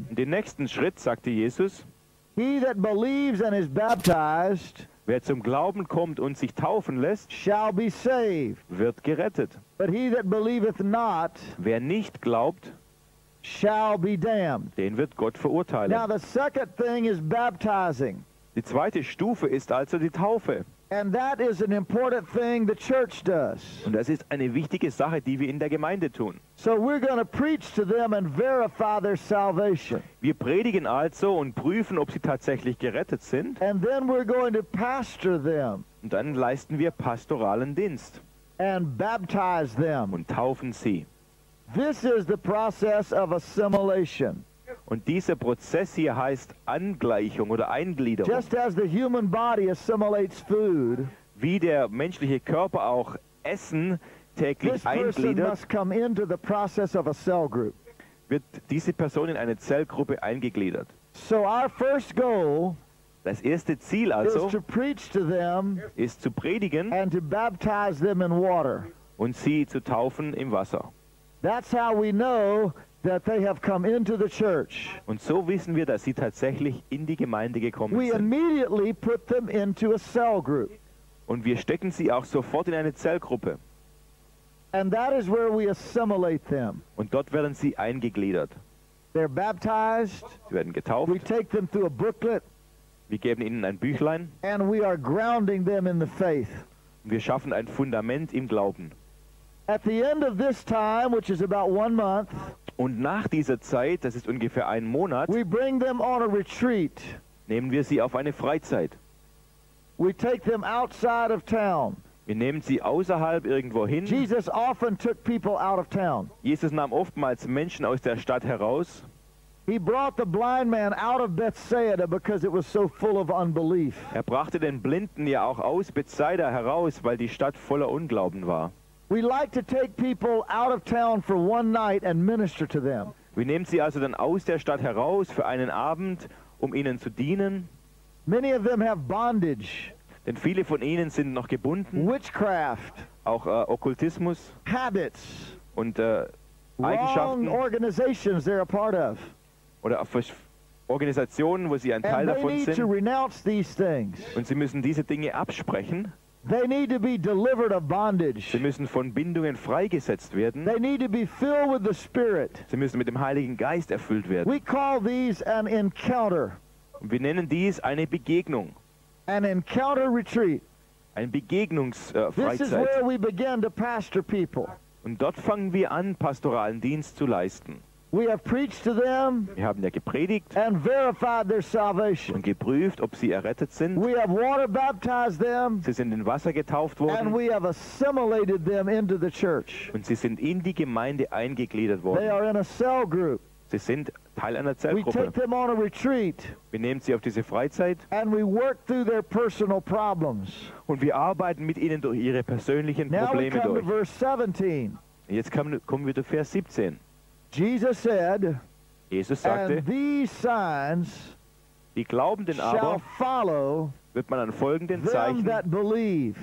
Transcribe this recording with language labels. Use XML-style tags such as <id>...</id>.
<de>den nächsten Schritt, sagte Jesus,</de> <en>he that believes and is baptized,</en> <de>wer zum Glauben kommt und sich taufen lässt,</de> <en>shall be saved.</en> <de>Wird gerettet.</de> <en>But he that believeth not,</en> <de>wer nicht glaubt,</de> <en>shall be damned.</en> <de>Den wird Gott verurteilen.</de> <en>Now the second thing is baptizing.</en> <de>Die zweite Stufe ist also die Taufe.</de> <en>And that is an important thing the church does.</en> <de>Und das ist eine wichtige Sache, die wir in der Gemeinde tun.</de> <en>So we're going to preach to them and verify their salvation.</en> <de>Wir predigen also und prüfen, ob sie tatsächlich gerettet sind.</de> <en>And then we're going to pastor them.</en> <de>Und dann leisten wir pastoralen Dienst.</de> <en>And baptize them.</en> <de>Und taufen sie.</de> <en>This is the process of assimilation.</en> <de>Und dieser Prozess hier heißt Angleichung oder Eingliederung.</de> <en>Just as the human body assimilates food,</en> <de>wie der menschliche Körper auch Essen täglich eingliedert,</de> <en>this person must come into the process of a cell group.</en> <de>Wird diese Person in eine Zellgruppe eingegliedert.</de> <en>So our first goal,</en> <de>das erste Ziel also,</de> <en>is to preach to them,</en> <de>ist zu predigen</de> <en>and to baptize them in water.</en> <de>Und sie zu taufen im Wasser.</de> <en>That's how we know that they have come into the church.</en> <de>Und so wissen wir, dass sie tatsächlich in die Gemeinde gekommen sind.</de> <en>We immediately put them into a cell group.</en> <de>Und wir stecken sie auch sofort in eine Zellgruppe.</de> <en>And that is where we assimilate them.</en> <de>Und dort werden sie eingegliedert.</de> <en>They're baptized.</en> <de>Sie werden getauft.</de> <en>We take them through a booklet.</en> <de>Wir geben ihnen ein Büchlein.</de> <en>And we are grounding them in the faith.</en> <de>Und wir schaffen ein Fundament im Glauben.</de> <en>At the end of this time, which is about 1 month,</en> <de>und nach dieser Zeit, das ist ungefähr ein Monat,</de> <en>we bring them on a retreat.</en> <de>Nehmen wir sie auf eine Freizeit.</de> <en>We take them outside of town.</en> <de>Wir nehmen sie außerhalb irgendwo hin.</de> <en>Jesus often took people out of town.</en> <de>Jesus nahm oftmals Menschen aus der Stadt heraus.</de> <en>He brought the blind man out of Bethsaida because it was so full of unbelief.</en> <de>Er brachte den Blinden ja auch aus Bethsaida heraus, weil die Stadt voller Unglauben war.</de> <en>We like to take people out of town for one night and minister to them.</en> <de>Wir nehmen sie also dann aus der Stadt heraus für einen Abend, um ihnen zu dienen.</de> <en>Many of them have bondage.</en> <de>Denn viele von ihnen sind noch gebunden.</de> <en>Witchcraft.</en> <de>Auch Okkultismus.</de> <en>Habits.</en> <de>Und Eigenschaften.</de> <en>Wrong organizations they're a part of.</en> <de>Oder Organisationen, wo sie ein Teil</de> <en>and</en> <de>davon</de> <en>they need</en> <de>sind.</de> <en>To renounce these things.</en> <de>Und sie müssen diese Dinge absprechen.</de> <en>They need to be delivered of bondage.</en> <de>Sie müssen von Bindungen freigesetzt werden.</de> <en>They need to be filled with the Spirit.</en> <de>Sie müssen mit dem Heiligen Geist erfüllt werden.</de> <en>We call these an encounter.</en> <de>Wir nennen dies eine Begegnung.</de> <en>An encounter retreat.</en> <de>Ein Begegnungsfreizeit.</de> <en>This is where we begin to pastor people.</en> <de>Und dort fangen wir an, pastoralen Dienst zu leisten.</de> <en>We have preached to them.</en> <de>Wir haben ja gepredigt.</de> <en>And verified their salvation.</en> <de>Und geprüft, ob sie errettet sind.</de> <en>We have water baptized them.</en> <de>Sie sind in Wasser getauft worden.</de> <en>And we have assimilated them into the church.</en> <de>Und sie sind in die Gemeinde eingegliedert worden.</de> <en>They are in a cell group.</en> <de>Sie sind Teil einer Zellgruppe.</de> <en>We take them on a retreat.</en> <de>Wir nehmen sie auf diese Freizeit.</de> <en>And we work through their personal problems.</en> <de>Und wir arbeiten mit ihnen durch ihre persönlichen Probleme durch.</de> <en>Now we come to verse 17.</en> <de>Jetzt kommen wir zu Vers 17.</de> <en>Jesus said,</en> <de>Jesus sagte,</de> <en>and these signs</en> <de>die Glaubenden aber</de> <en>shall follow</en> <de>wird man an folgenden Zeichen</de> <en>that believe.</en>